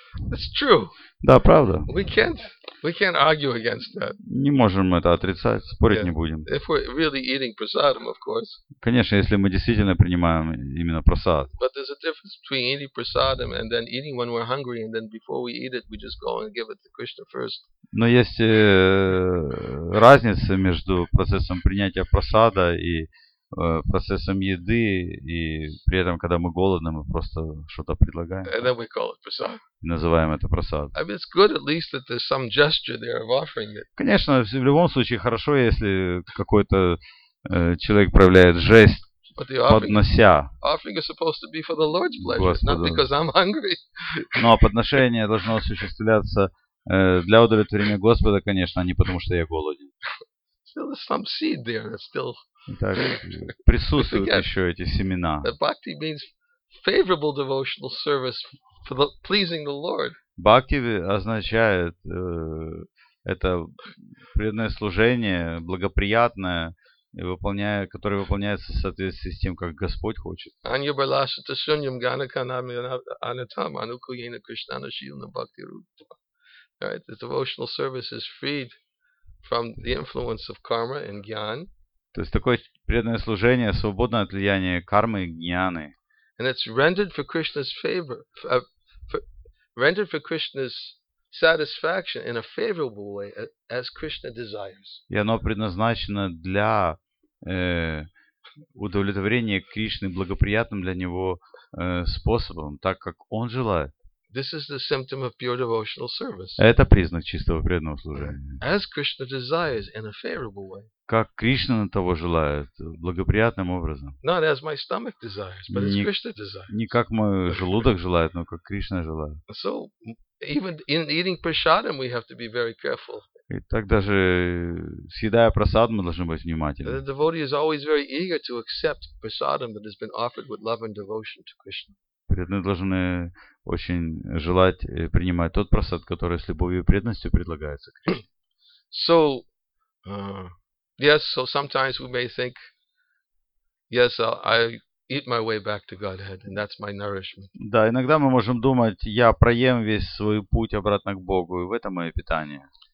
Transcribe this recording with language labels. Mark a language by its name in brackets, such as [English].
[English] It's true. [Russian] Да, правда. [English] We can't argue against that. [Russian] Не можем это отрицать, спорить не будем. [English] If we're really eating prasadam, of course. [Russian] Конечно, если мы действительно принимаем именно прасад. [English] But there's a difference between eating prasadam and then eating when we're hungry and then before we eat it, we just go and give it to Krishna first. [Russian] Но есть разница между процессом принятия прасада и процессом еды, и при этом, когда мы голодны, мы просто что-то предлагаем. [English] And then we call it prasad. [Russian] И называем это прасад. [English] I mean, it's good at least that there's some gesture there of offering it. [Russian] Конечно, в любом случае хорошо, если какой-то человек проявляет жесть, [English] but the offering, [Russian] поднося. [English] Offering is supposed to be for the Lord's pleasure, not because I'm hungry. [Russian] Но подношение должно осуществляться для удовлетворения Господа, конечно, а не потому, что я голоден. [English] Still there's some seed there that's still. [Russian] Итак, присутствуют еще эти семена. [English] Bhakti means favorable devotional service for the pleasing the Lord. [Russian] Бхакти означает это преданное служение, благоприятное, которое выполняется в соответствии с тем, как Господь хочет. [Sanskrit] Anya balasita sunyam ganakanam anatam anukuyena krishnana shilna bhakti rupa. [English] Right, the devotional service is freed from the influence of karma and gyan. [Russian] То есть такое преданное служение свободно от влияния кармы и гьяны. [English] And it's rendered for Krishna's favor, rendered for Krishna's satisfaction in a favorable way as Krishna desires. [Russian] И оно предназначено для удовлетворения Кришны благоприятным для него способом, так как он желает. [English] This is the symptom of pure devotional service. [Russian] Это признак чистого преданного служения. [English] As Krishna desires in a favorable way. [Russian] Как Кришна того желает, благоприятным образом. [English] Not as my stomach desires, but as Krishna desires. [Russian] Не как мой желудок желает, но как Кришна желает. [English] So even in eating prasadam we have to be very careful. [Russian] И так даже съедая прасад, мы должны быть внимательны. [English] The devotee is always very eager to accept prasadam that has been offered with love and devotion to Krishna. [Russian] Преданные должны очень желать принимать тот просад, который с любовью и преданностью предлагается Кришне. [English] So, yes, so sometimes we may think, yes, I eat my way back to Godhead, and that's my nourishment. [Russian] Да, иногда мы можем думать, я проем весь свой путь обратно к Богу, и в этом мое питание.